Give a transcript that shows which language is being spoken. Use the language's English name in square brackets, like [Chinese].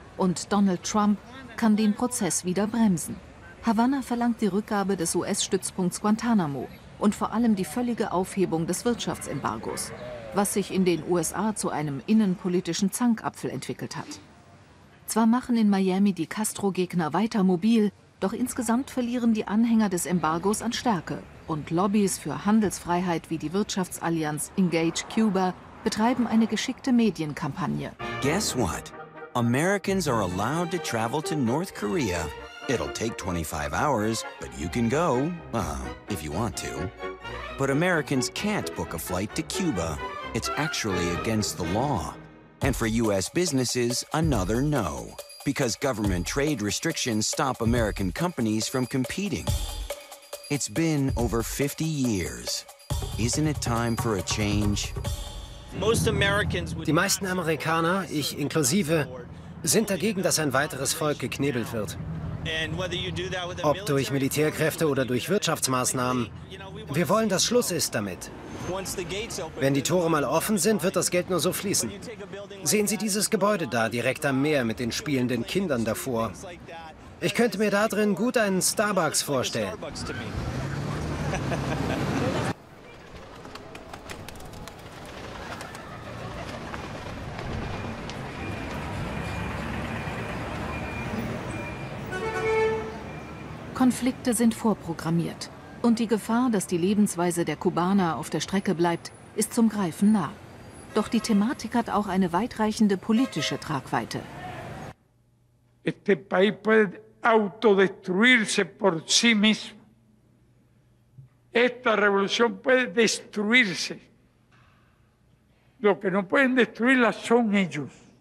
[German] Und Donald Trump kann den Prozess wieder bremsen. Havanna verlangt die Rückgabe des US-Stützpunkts Guantanamo und vor allem die völlige Aufhebung des Wirtschaftsembargos, was sich in den USA zu einem innenpolitischen Zankapfel entwickelt hat. Zwar machen in Miami die Castro-Gegner weiter mobil, doch insgesamt verlieren die Anhänger des Embargos an Stärke und Lobbys für Handelsfreiheit wie die Wirtschaftsallianz Engage Cuba betreiben eine geschickte Medienkampagne. [English] Guess what? Americans are allowed to travel to North Korea. It'll take 25 hours, but you can go, if you want to. But Americans can't book a flight to Cuba. It's actually against the law. And for U.S. businesses, another no. Because government trade restrictions stop American companies from competing. It's been over 50 years. Isn't it time for a change? [German] Die meisten Amerikaner, ich inklusive, sind dagegen, dass ein weiteres Volk geknebelt wird. Ob durch Militärkräfte oder durch Wirtschaftsmaßnahmen. Wir wollen, dass Schluss ist damit. Wenn die Tore mal offen sind, wird das Geld nur so fließen. Sehen Sie dieses Gebäude da, direkt am Meer, mit den spielenden Kindern davor. Ich könnte mir da drin gut einen Starbucks vorstellen. Konflikte sind vorprogrammiert. Und die Gefahr, dass die Lebensweise der Kubaner auf der Strecke bleibt, ist zum Greifen nah. Doch die Thematik hat auch eine weitreichende politische Tragweite. [Spanish] Este país puede autodestruirse por sí mismo. Esta revolución puede destruirse. Lo que no pueden destruirla son ellos.